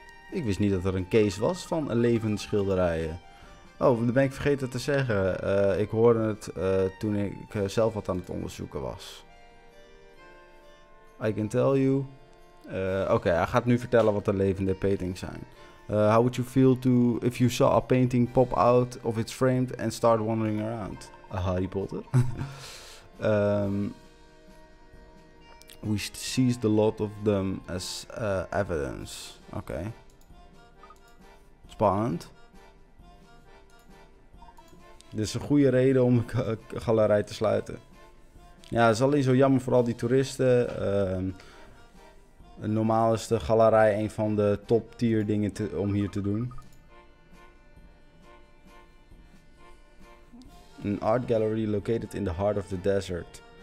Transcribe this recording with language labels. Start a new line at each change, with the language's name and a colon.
Dutch: Ik wist niet dat er een case was van levende schilderijen. Oh, dat ben ik vergeten te zeggen. Ik hoorde het toen ik zelf wat aan het onderzoeken was.
English: I can tell you.
Dutch: Oké, hij gaat nu vertellen wat de levende paintings zijn.
English: How would you feel to if you saw a painting pop out of its frame and start wandering around? Harry Potter. we seized a lot of them as evidence.
Dutch: Oké. Spannend. Dit is een goede reden om een galerij te sluiten. Ja, het is alleen zo jammer voor al die toeristen. Normaal is de galerij een van de top tier dingen om hier te doen.
English: Een art gallery located in the heart of the desert.